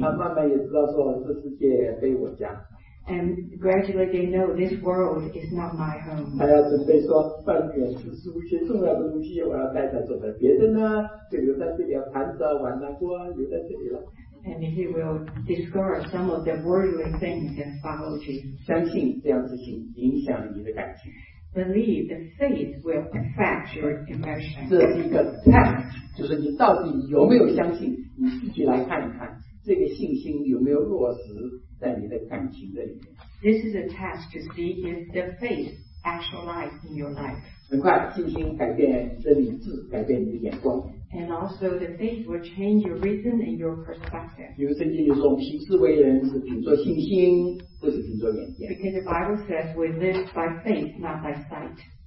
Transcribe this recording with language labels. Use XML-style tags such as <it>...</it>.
<zh>他慢慢也知道说这世界非我家。</zh> <en>And gradually they know this world is not my home.</en> <zh>他要准备说半卷诗书，些重要的东西我要带他走的，别的呢就留在这里了，盘子啊、碗啊、锅留在这里了。</zh> <en>And he will discard some of the worldly things and follow Jesus.</en> <zh>相信这样事情影响你的感情。</zh> <en>believe, the faith will affect your emotion.</en> <zh>这是一个 test， 就是你到底有没有相信，你自己来看一看，这个信心有没有落实在你的感情的里面。</zh> <en>This is a test to see if the faith actualized in your life.</en> <zh>很快，信心改变你的理智，改变你的眼光。</zh> <en>And also the faith will change your reason and your perspective.</en> <zh>因为圣经里说，平时为人是凭着信心，不是凭着眼见。</zh> <en>Because the Bible says we live by faith, not by sight.</en>